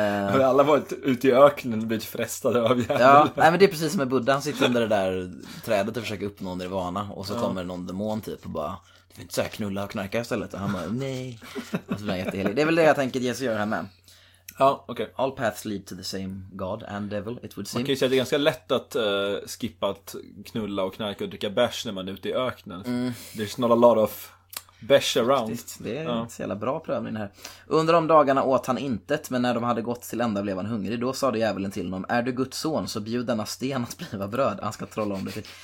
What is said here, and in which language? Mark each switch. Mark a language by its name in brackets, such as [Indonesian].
[Swedish] Har alla varit ute i öknen och blivit frestade av djävulen? Ja, nej, men det är precis som med Buddha. Han sitter under det där trädet och försöker uppnå nirvana, och så kommer någon demon typ och bara... Du vill inte såhär knulla och knarka istället. Och han bara, nej. Det är väl det jag tänker att Jesus gör här med. Ja, okej. [English] All paths lead to the same god and devil, it would seem. [Swedish] Man kan ju säga att det är ganska lätt att skippa att knulla och knarka och dricka bärs när man är ute i öknen. Mm. [English] There's not a lot of bärs around. [Swedish] Faktiskt, det är en så jävla bra prövning här. Under de dagarna åt han intet, men när de hade gått till ända blev han hungrig. Då sa djävulen till honom, är du Guds son så bjud denna sten att bliva bröd. Han ska trolla om det.